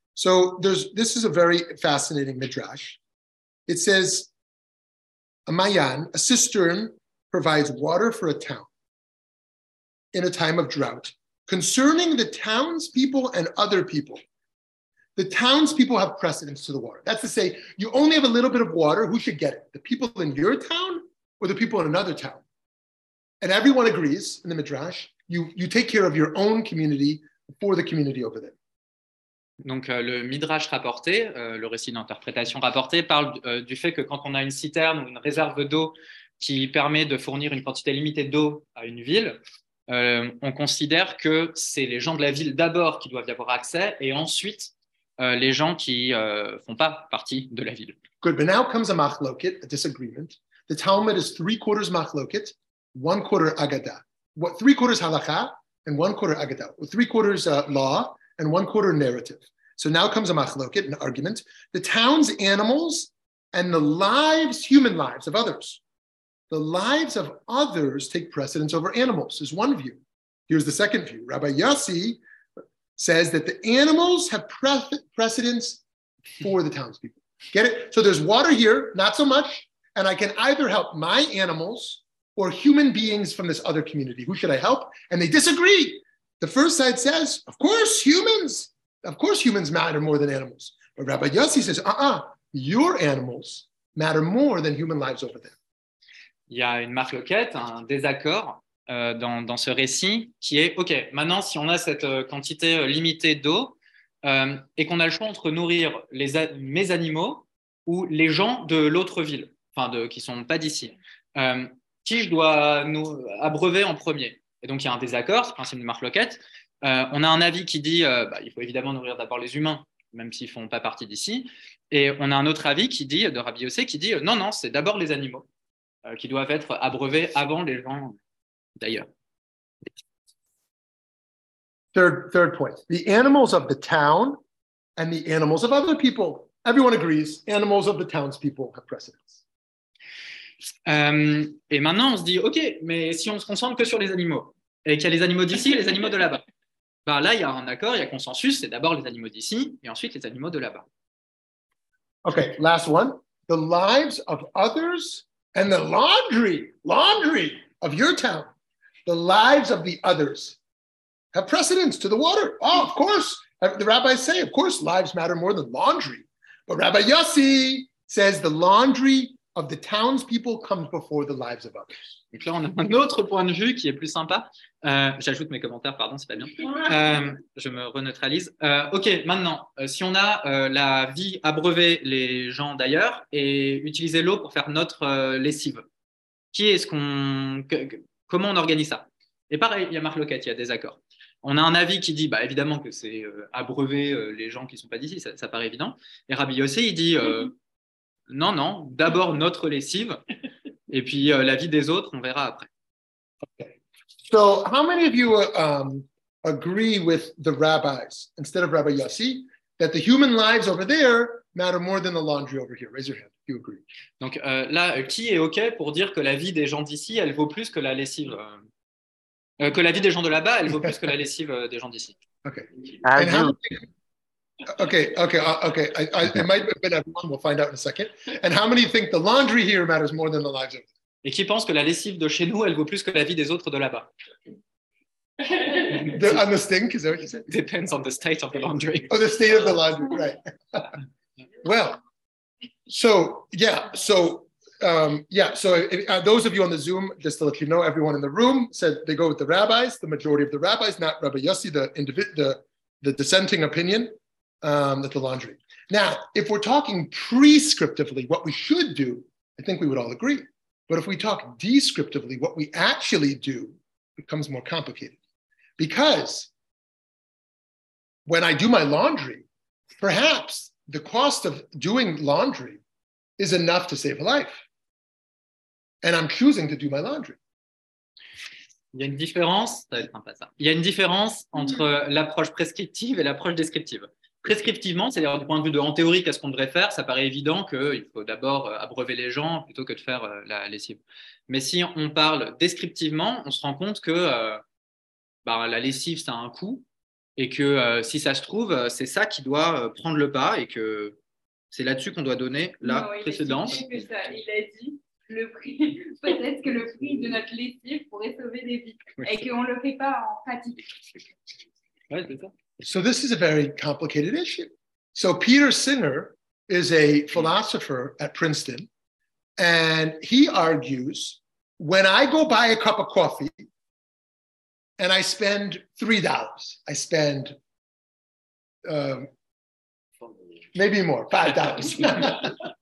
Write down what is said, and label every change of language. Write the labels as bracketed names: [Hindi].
[English] So this is a very fascinating midrash. It says, a mayan, a cistern, provides water for a town in a time of drought. Concerning the townspeople and other people, The townspeople have precedence to the water. That's to say, you only have a little bit of water, who should get it? The people in your town or the people in another town? And everyone agrees in the Midrash, you take care of your own community for the community over there. [French] Donc le Midrash rapporté, le récit d'interprétation rapporté, parle du fait que quand on a une citerne ou une réserve d'eau qui permet de fournir une quantité limitée d'eau à une ville, on considère que c'est les gens de la ville d'abord qui doivent y avoir accès et ensuite les gens qui font pas partie de la ville. [English] Good, but now comes a machloket, a disagreement. The Talmud is three quarters machloket, one quarter agada. What, three quarters halakha and one quarter agada. Three quarters law and one quarter narrative. So now comes a machloket, an argument. The town's animals and the lives, human lives of others. The lives of others take precedence over animals, is one view. Here's the second view. Rabbi Yossi says that the animals have precedence for the townspeople. Get it? So there's water here, not so much, and I can either help my animals or human beings from this other community. Who should I help? And they disagree. The first side says, of course, humans. Of course, humans matter more than animals. But Rabbi Yossi says, your animals matter more than human lives over there. [French] Il y a une marloquette, un désaccord dans ce récit qui est, OK, maintenant, si on a cette quantité limitée d'eau et qu'on a le choix entre nourrir mes animaux ou les gens de l'autre ville, enfin, qui ne sont pas d'ici, qui je dois nous abreuver en premier? Et donc, il y a un désaccord, ce principe de marloquette. On a un avis qui dit, il faut évidemment nourrir d'abord les humains, même s'ils ne font pas partie d'ici. Et on a un autre avis qui dit, de Rabbi Yossi, qui dit, non, c'est d'abord les animaux. Qui doivent être abreuvés avant les gens, d'ailleurs. [English] Third point. The animals of the town and the animals of other people. Everyone agrees, animals of the townspeople have precedence. [French] Et maintenant, on se dit, OK, mais si on se concentre que sur les animaux, et qu'il y a les animaux d'ici et les animaux de là-bas, ben là, il y a un accord, il y a consensus, c'est d'abord les animaux d'ici et ensuite les animaux de là-bas. [English] OK, last one. The lives of others... And the laundry of your town, the lives of the others have precedence to the water. Oh, of course, the rabbis say, of course, lives matter more than laundry. But Rabbi Yossi says the laundry of the townspeople comes before the lives of others. [French] Donc là, on a un autre point de vue qui est plus sympa. J'ajoute mes commentaires, pardon, c'est pas bien. Je me reneutralise. OK, maintenant, si on a la vie abreuver les gens d'ailleurs et utiliser l'eau pour faire notre lessive, qui est-ce comment on organise ça? Et pareil, il y a Marc Loquette, il y a des accords. On a un avis qui dit, évidemment que c'est abreuver les gens qui ne sont pas d'ici, ça paraît évident. Et Rabbi Yossi, il dit, non, d'abord notre lessive. Et puis la vie des autres, on verra après. [English] Okay. So, how many of you agree with the rabbis instead of Rabbi Yossi that the human lives over there matter more than the laundry over here? Raise your hand. You agree. [French] Donc là, qui est OK pour dire que la vie des gens d'ici, elle vaut plus que la lessive que la vie des gens de là-bas, elle vaut plus que la lessive des gens d'ici? [English] Okay. Okay. It might have been everyone. We'll find out in a second. And how many think the laundry here matters more than the lives of? [French] Et qui pense que la lessive de chez nous elle vaut plus que la vie des autres de là-bas? [English] On the stink, is that what you said? Depends on the state of the laundry. Oh, the state of the laundry, right? Well, so those of you on the Zoom, just to let you know, everyone in the room said they go with the rabbis, the majority of the rabbis, not Rabbi Yossi, the dissenting opinion. That the laundry. Now, if we're talking prescriptively, what we should do, I think we would all agree. But if we talk descriptively, what we actually do becomes more complicated. Because when I do my laundry, perhaps the cost of doing laundry is enough to save a life. And I'm choosing to do my laundry. [French] Il y a une différence entre l'approche prescriptive et l'approche descriptive. Prescriptivement, c'est-à-dire du point de vue de, en théorie, qu'est-ce qu'on devrait faire, ça paraît évident qu'il faut d'abord abreuver les gens plutôt que de faire la lessive. Mais si on parle descriptivement, on se rend compte que la lessive, ça a un coût et que si ça se trouve, c'est ça qui doit prendre le pas et que c'est là-dessus qu'on doit donner la précédence. Il a dit le prix, peut-être que le prix de notre lessive pourrait sauver des vies et qu'on ne le fait pas en pratique. Oui, c'est ça. [English] So this is a very complicated issue. So Peter Singer is a philosopher at Princeton, and he argues, when I go buy a cup of coffee and I spend $3, I spend maybe more, $5.